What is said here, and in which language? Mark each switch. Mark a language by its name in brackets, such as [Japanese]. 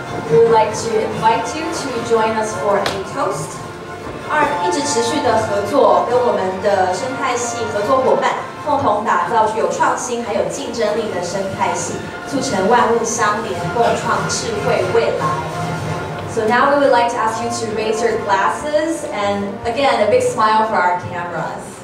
[English] We would like to invite you to join us for a toast. [Chinese] 一直持续的合作跟我们的生态系合作伙伴, 共同打造具有创新还有竞争力的生态系, 促成万物相连, 共创智慧未来。 [English] So now we would like to ask you to raise your glasses and again, a big smile for our cameras.